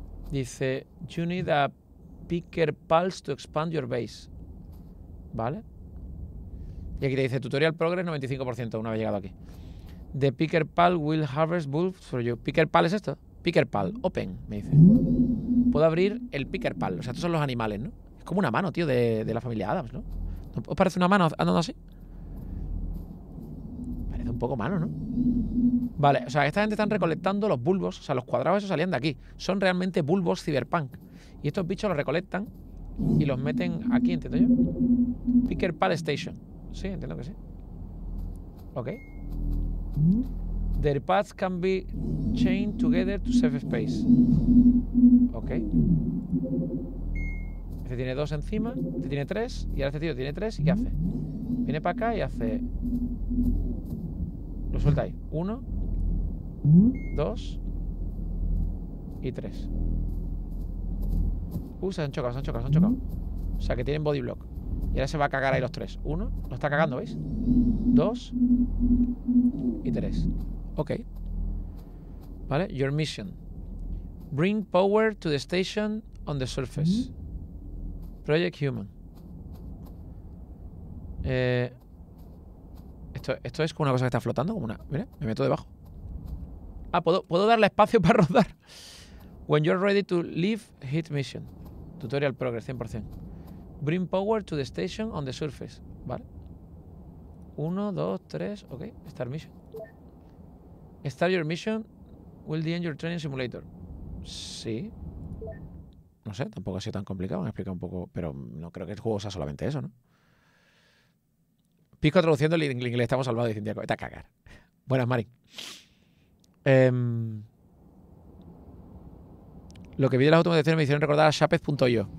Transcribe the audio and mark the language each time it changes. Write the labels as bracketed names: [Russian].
[Spanish] Dice, [English] you need a picker pulse to expand your base. [Spanish] ¿Vale? Y aquí te dice, [English] tutorial progress [Spanish] 95% una vez llegado aquí. [English] The picker pal will harvest bulbs for you. [Spanish] ¿Picker pal es esto? Picker pal, [English] open, [Spanish] me dice. Puedo abrir el picker pal. O sea, estos son los animales, ¿no? Es como una mano, tío, de la familia Adams, ¿no? ¿Os parece una mano andando así? Parece un poco mano, ¿no? Vale, o sea, esta gente están recolectando los bulbos. O sea, los cuadrados esos salían de aquí. Son realmente bulbos cyberpunk. Y estos bichos los recolectan y los meten aquí, entiendo yo. Picker Pal Station. Sí, entiendo que sí. Ok. [English] Their paths can be chained together to save space. Ok. [Spanish] Este tiene dos encima, este tiene tres, y ahora este tío tiene tres, ¿y qué hace? Viene para acá y hace... Lo suelta ahí. Uno, dos y tres. Se han chocado. O sea, que tienen body block. Y ahora se va a cagar ahí los tres. Uno, lo está cagando, ¿veis? Dos y tres. Ok. ¿Vale? [English] Your mission. Bring power to the station on the surface. Project Human. [Spanish] Esto es como una cosa que está flotando, como una... Mira, me meto debajo. Ah, ¿puedo darle espacio para rodar? [English] When you're ready to leave, hit mission. Tutorial progress, 100%. Bring power to the station on the surface. [Spanish] Vale. Uno, dos, tres, [English] ok. Start mission. Start your mission will end your training simulator. [Spanish] Sí. No sé, tampoco ha sido tan complicado. Me he explicado un poco, pero no creo que el juego sea solamente eso, ¿no? Pisco traduciendo el inglés, estamos salvados, dicen, vete a cagar. Buenas, Mari. Lo que vi de las automatizaciones me hicieron recordar a Shapez.io.